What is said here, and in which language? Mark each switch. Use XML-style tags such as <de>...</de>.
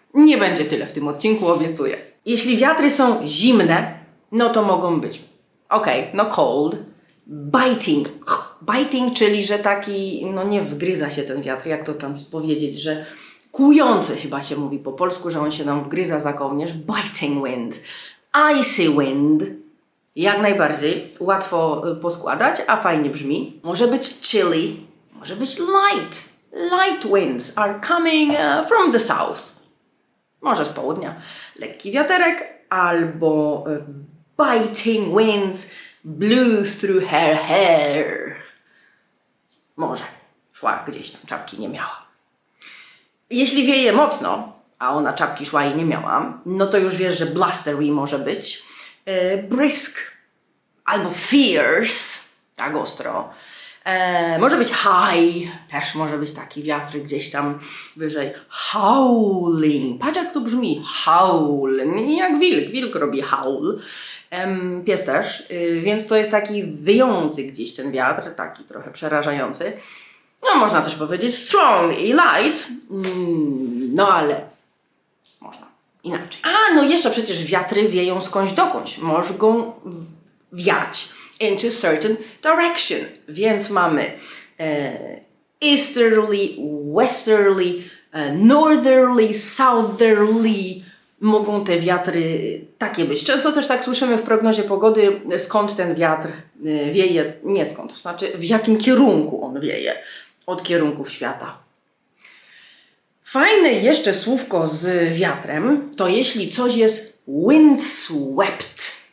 <pl>Nie będzie tyle w tym odcinku, obiecuję. Jeśli wiatry są zimne, no to mogą być, no cold, biting, czyli że taki, no nie wgryza się ten wiatr, jak to tam powiedzieć, że kłujący chyba się mówi po polsku, że on się nam wgryza za kołnierz, biting wind, icy wind. Jak najbardziej, łatwo poskładać, a fajnie brzmi. Może być chilly, może być light.</pl> <en>Light winds are coming from the south.</en> <pl>Może z południa. Lekki wiaterek albo</pl> <en>biting winds blew through her hair.</en> <pl>Może. Szła gdzieś tam, czapki nie miała. Jeśli wieje mocno, a ona czapki szła i nie miała, no to już wiesz, że blustery może być. brisk albo fierce, tak ostro. Może być high, też może być taki wiatr gdzieś tam wyżej. Howling, patrz jak to brzmi, howl, jak wilk, wilk robi howl. Pies też, więc to jest taki wyjący gdzieś ten wiatr, taki trochę przerażający. No można też powiedzieć strong i light, no ale można inaczej. A no jeszcze przecież wiatry wieją skądś dokądś, mogą wiać.</pl> <en>Into certain direction.</en> <pl>Więc mamy easterly, westerly, northerly, southerly. Mogą te wiatry takie być. Często też tak słyszymy w prognozie pogody, skąd ten wiatr wieje, nie skąd, to znaczy w jakim kierunku on wieje od kierunków świata. Fajne jeszcze słówko z wiatrem, to jeśli coś jest windswept.</pl>